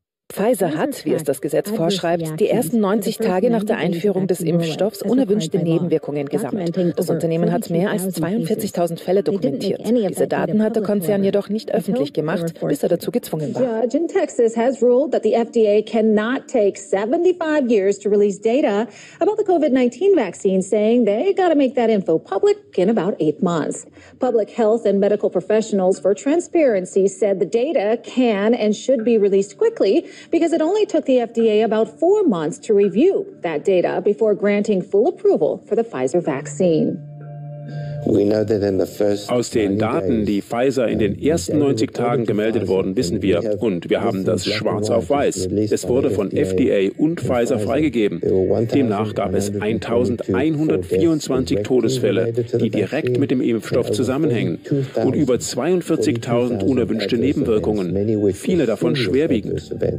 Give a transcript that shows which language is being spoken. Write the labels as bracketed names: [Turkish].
[German] Pfizer hat, wie es das Gesetz vorschreibt, die ersten 90 Tage nach der Einführung des Impfstoffs unerwünschte Nebenwirkungen gesammelt. Das Unternehmen hat mehr als 42.000 Fälle dokumentiert. Diese Daten hat der Konzern jedoch nicht öffentlich gemacht, bis er dazu gezwungen war. [English] In Texas has ruled that the FDA cannot take 75 years to release data about the COVID-19 vaccine, saying they got to make that info public in about 8 months. Public health and medical professionals for transparency said the data can and should be released quickly. because it only took the FDA about 4 months to review that data before granting full approval for the Pfizer vaccine. [German] Aus den Daten, die Pfizer in den ersten 90 Tagen gemeldet worden, wissen wir, und wir haben das schwarz auf weiß, es wurde von FDA und Pfizer freigegeben. Demnach gab es 1.124 Todesfälle, die direkt mit dem Impfstoff zusammenhängen, und über 42.000 unerwünschte Nebenwirkungen, viele davon schwerwiegend.